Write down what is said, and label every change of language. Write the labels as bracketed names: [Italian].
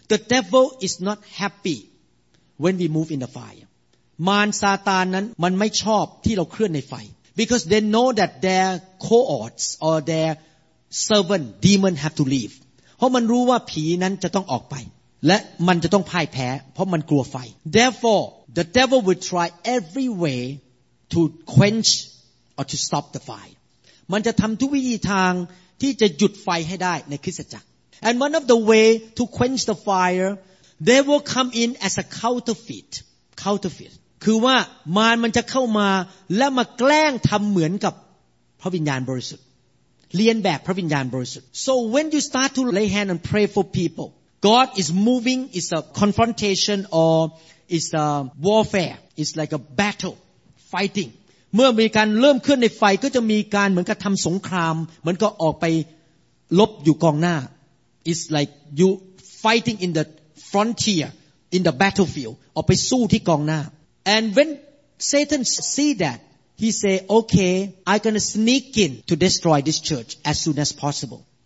[English] The devil is not happy. When we move in the fire, Man Satan [Thai] นั้นมันไม่ชอบที่เราเคลื่อนในไฟ [English] because they know that their cohorts or their servant demon have to leave. [Thai] เพราะมันรู้ว่าผีนั้นจะต้องออกไปและมันจะต้องพ่ายแพ้เพราะมันกลัวไฟ [English] Therefore, the devil will try every way to quench or to stop the fire. [Thai] มันจะทำทุกวิธีทางที่จะหยุดไฟให้ได้ในคริสตจักร [English] And one of the way to quench the fire. They will come in as a counterfeit. Counterfeit. [Thai] คือว่ามารมันจะเข้ามาและมาแกล้งทำเหมือนกับพระวิญญาณบริสุทธิ์เรียนแบบพระวิญญาณบริสุทธิ์ [English] So when you start to lay hand and pray for people, God is moving. It's a confrontation or it's a warfare. It's like a battle, fighting. [Thai] เมื่อมีการเริ่มเคลื่อนในไฟก็จะมีการเหมือนกับทำสงครามเหมือนก็ออกไปลบอยู่กองหน้า [English] It's like you fighting in the frontier in the battlefield [Thai] ออกไปสู้ที่กองหน้า [English] and when Satan see that he say okay I gonna sneak in to destroy this church as soon as possible